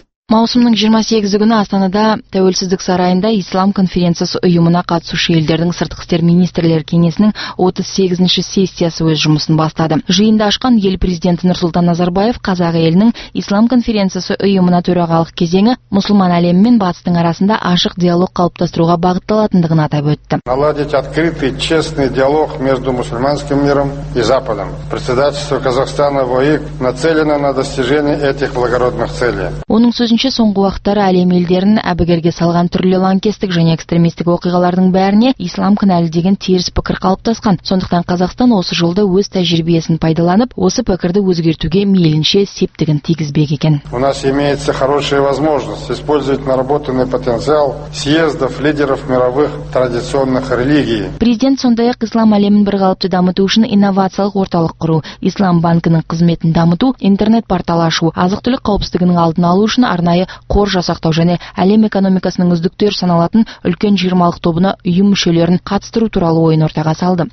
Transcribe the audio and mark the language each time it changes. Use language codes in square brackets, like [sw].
[kk] Маусымның 28-ші күні Астанада Тәуелсіздік сарайында Ислам конференциясы ұйымына қатысушы елдердің сыртқы істер министрлер кеңесінің 38-ші сессиясы өз жұмысын бастады. Жиынды ашқан ел президенті Нұрсұлтан Назарбаев Қазақ елінің Ислам конференциясы ұйымына төрағалық кезеңі мұсылман әлемі мен батыстың арасында ашық диалог қалыптастыруға бағытталатындығын атап өтті. [ru] Наладить открытый, честный диалог между мусульманским миром и Западом. Председательство Казахстана в ОИК нацелено на достижение этих благородных целей. [kk] Сөзінше соңғы уақыттары әлем елдерін әбігерге салған түрлі лаңкестік және экстремистік оқиғалардың бәріне ислам кінәлі деген теріс пікір қалыптасқан. Сондықтан Қазақстан осы жолда өз тәжірибесін пайдаланып, осы пікірді өзгертуге мейлінше септігін тигізбек екен. [ru] У нас имеется хорошая возможность использовать наработанный потенциал съездов лидеров мировых традиционных религий. [kk] Президент сондай-ақ ислам әлемін бір қалыпты дамыту үшін инновациялық орталық құру, ислам банкінің қызметін дамыту, интернет-портал ашу, азық-түлік қауіпсіздігінің алдын алу үшін арнайы қор жасақтау және әлем экономикасының үздіктер саналатын үлкен 20-лық тобына ұйым мүшелерін қатыстыру туралы ойын ортаға салды.